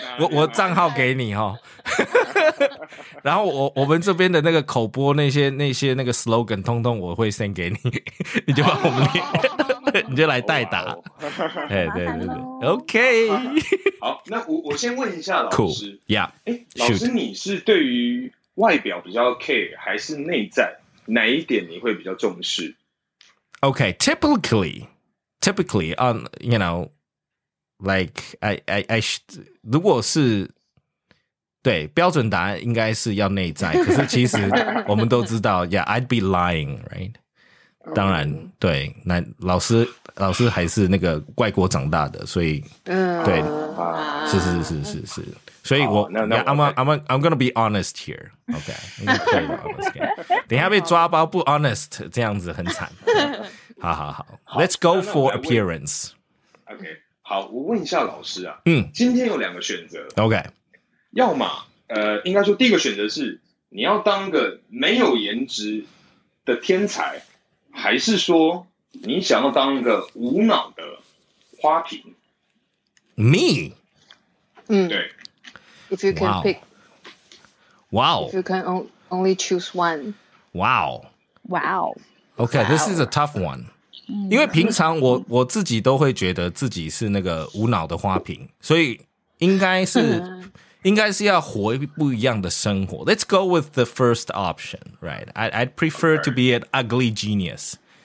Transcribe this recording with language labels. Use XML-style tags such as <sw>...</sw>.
<zh>我账号给你哈、哦，然后我们这边的那个口播那些那个 slogan， 通通我会 send 给你，你就把我们你就来代打。哎、哦，对对对 ，OK。好，那我先问一下老师</zh> <en>，Cool， Yeah，</en> <zh>哎，老师、</zh> <en>Shoot.</en> <zh>你是对于外表比较 care 还是内在？哪一点你会比较重视</zh> <en>？Okay, typically, on you know, like I should,</en> <zh>如果是对标准答案应该是要内在，可是其实我们都知道，</zh> <en>Yeah, I'd be lying, right?、Okay.</en> <zh>当然，对，那老师还是那个外国长大的，所以对，是。所以我、</zh> <en>oh, no, no, yeah, okay. I'm gonna be honest here. Okay.</en> <zh>Honest 等一下被抓包不 honest 这样子很惨。好好好。</zh> <en>Let's go for appearance.</en> <zh>Okay. 好我问一下老师啊。今天有两个选择。</zh> <en>Okay.</en> <zh>要嘛应该说第一个选择是你要当个没有颜值的天才还是说你想要当一个无脑的花瓶。</zh> <en>Me? 嗯。</en> <zh>对。</zh> <en>If you can pick, wow! If you can only choose one, wow, wow. Okay, this is a tough one.</en> <zh>Because 平常我自己都会觉得自己是那个无脑的花瓶，所以应该是要活不一样的生活。</zh> <en>Let's go with the first option, right? I'd prefer to be an ugly genius.</en>